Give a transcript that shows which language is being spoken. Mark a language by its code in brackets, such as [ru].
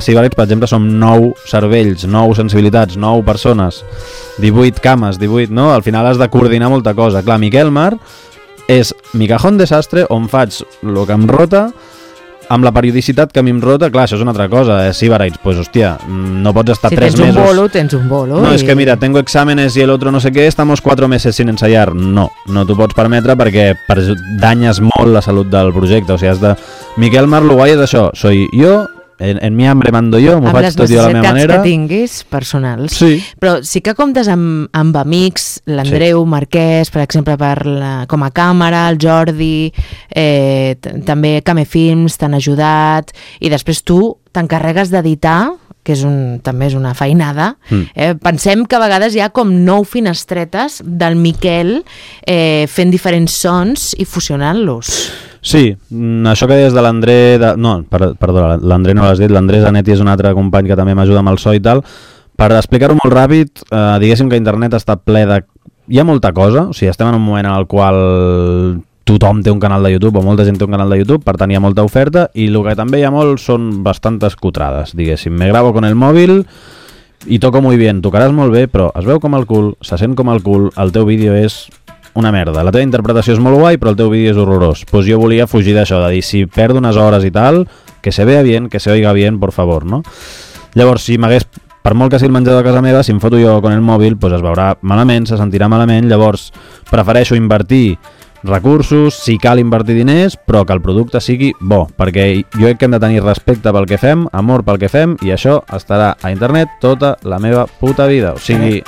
[ca] Sibarites, per exemple, som 9 cervells, 9 sensibilitats, 9 persones, 18 cames, 18, no? Al final has de coordinar molta cosa. Clar, Miquel Mar és [es] mi cajón desastre, [ca] on faig lo que em rota, amb la periodicitat que a mi em rota, clar, això és una altra cosa, Sibarites, pues hostia, no pots estar 3 mesos. Si tens un bolo, tens un bolo. [es] No, és que mira, tengo exámenes y el otro no sé qué, estamos 4 meses sin ensayar. [ca] No, no t'ho pots permetre perquè danyes molt la salut del projecte, o sigui, has de... Miquel Marluguay és això, [es] soy yo, en mi hambre mando yo, [ca] m'ho faig tot jo a la meva manera. Amb les necessitats que tinguis, personals. Sí. Però sí que comptes amb amics, l'Andreu, sí. Marquès, per exemple, com a càmera, el Jordi, també Came Films t'han ajudat, i després tu t'encarregues d'editar, que és també és una feinada. Pensem que a vegades hi ha com 9 finestretes del Miquel fent diferents sons i fusionant-los. Sí, això que deies de l'André... Perdona, l'André no l'has dit, l'André Zanetti és un altre company que també m'ajuda amb el so i tal. Per explicar-ho molt ràpid, diguéssim que internet està ple de... Hi ha molta cosa, o sigui, estem en un moment en el qual tothom té un canal de YouTube, o molta gent té un canal de YouTube, per tant hi ha molta oferta, i el que també hi ha molt són bastantes cutrades, diguéssim. [es] Me gravo con el mòbil i toco muy bien. [ca] Tocaràs molt bé, però es veu com el cul, se sent com el cul, el teu vídeo és... una merda. La teva interpretació és molt guai, però el teu vídeo és horrorós. Pues jo volia fugir d'això, de dir, si perdo unes hores i tal, [es] que se vea bien, que se oiga bien, por favor, [ca] no? Llavors, si m'hagués, per molt que sigui el menjador a casa meva, si em foto jo [es] con el mòbil, [ca] pues es veurà malament, se sentirà malament, llavors prefereixo invertir recursos, si cal invertir diners, però que el producte sigui bo, perquè jo crec que hem de tenir respecte pel que fem, amor pel que fem, i això estarà a internet tota la meva puta vida, o sigui...